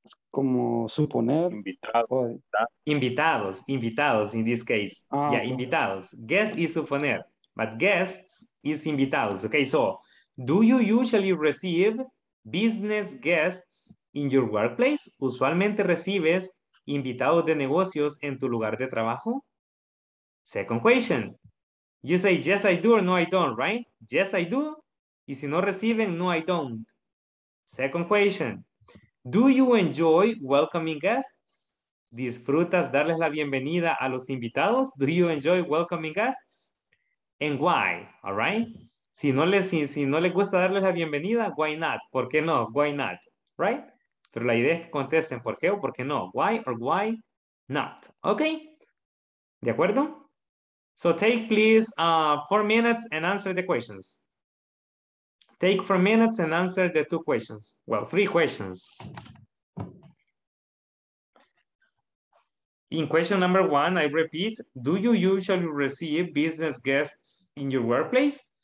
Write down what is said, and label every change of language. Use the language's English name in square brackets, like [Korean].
[Spanish] Como suponer. [English] Invitados in this case. Ah, yeah, okay. Invitados. Guest is suponer, but guests is invitados. Okay, so do you usually receive business guests in your workplace? [Spanish] ¿Usualmente recibes invitados de negocios en tu lugar de trabajo? [English] Second question. You say, yes, I do, or no, I don't, right? Yes, I do. [Spanish] Y si no reciben, [English] no, I don't. Second question. Do you enjoy welcoming guests? [Spanish] ¿Disfrutas darles la bienvenida a los invitados? [English] Do you enjoy welcoming guests? And why? All right? [Spanish] Si no les gusta darles la bienvenida, [English] why not? [Spanish] ¿Por qué no? Why not? Right? Pero la idea es que contesten por qué o por qué no. [English] Why or why not? Okay? [Spanish] ¿De acuerdo? [English] So take please 4 minutes and answer the questions. Take 4 minutes and answer the 2 questions. Well, 3 questions. In question number one, I repeat, do you usually receive business guests in your workplace?